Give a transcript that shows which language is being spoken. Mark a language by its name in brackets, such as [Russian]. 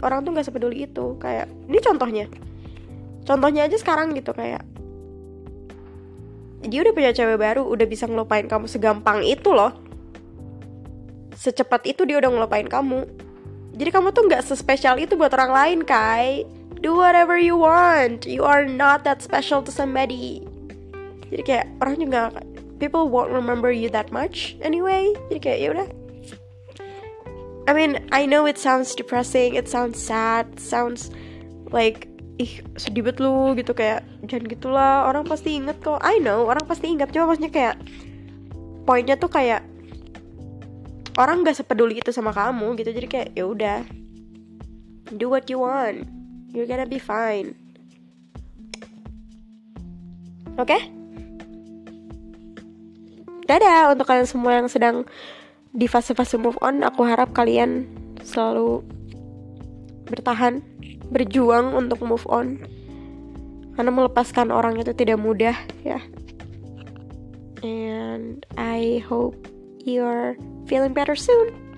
[Indonesian] Orang tuh gak sepeduli itu. Kayak ini contohnya, contohnya aja sekarang gitu, kayak dia udah punya cewek baru, udah bisa ngelupain kamu segampang itu loh. Secepat itu dia udah ngelupain kamu. Jadi kamu tuh gak sespesial itu buat orang lain, Kai. [English] Do whatever you want. You are not that special to somebody. [Indonesian] Jadi kayak orang juga, [English] people won't remember you that much anyway. [Indonesian] Jadi kayak yaudah. [English] I mean, I know it sounds depressing, it sounds sad, sounds like [Indonesian] ih sedih banget lu gitu, kayak jangan gitulah, orang pasti inget kok. [English] I know, [Indonesian] orang pasti inget. Cuma maksudnya kayak poinnya tuh kayak orang gak sepeduli itu sama kamu gitu. Jadi kayak yaudah, [English] do what you want, you're gonna be fine. Oke? Okay? [Indonesian] Dadah untuk kalian semua yang sedang di fase-fase move on. Aku harap kalian selalu bertahan, berjuang untuk move on, karena melepaskan orang itu tidak mudah ya. [English] And I hope you're feeling better soon.